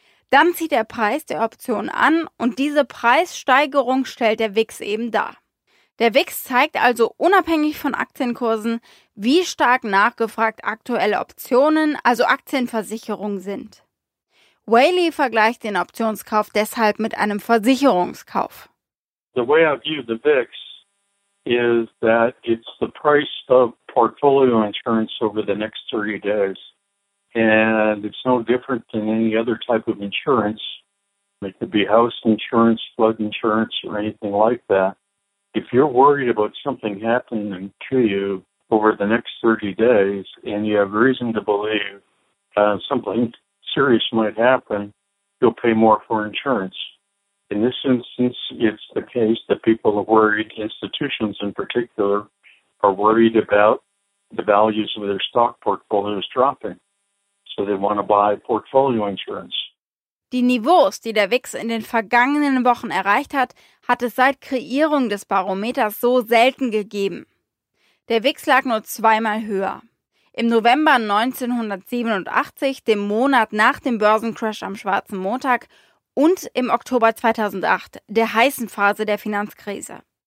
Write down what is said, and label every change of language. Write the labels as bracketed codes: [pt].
[de] Dann zieht der Preis der Option an und diese Preissteigerung stellt der VIX eben dar. Der VIX zeigt also unabhängig von Aktienkursen, wie stark nachgefragt aktuelle Optionen, also Aktienversicherungen, sind. Whaley vergleicht den Optionskauf deshalb mit einem Versicherungskauf. [en] The way I view the VIX is that it's the price of portfolio insurance over the next 30 days. And it's no different than any other type of insurance. It could be house insurance, flood insurance, or anything like that. If you're worried about something happening to you over the next 30 days and you have reason to believe something serious might happen, you'll pay more for insurance. In this instance, it's the case that people are worried, institutions in particular, are worried about the values of their stock portfolios dropping. So they want to buy portfolio insurance. [de] Die Niveaus, die der VIX in den vergangenen Wochen erreicht hat, hat es seit Kreierung des Barometers so selten gegeben. Der VIX lag nur 2-mal höher. Im November 1987, dem Monat nach dem Börsencrash am Schwarzen Montag, und im Oktober 2008, der heißen Phase der Finanzkrise.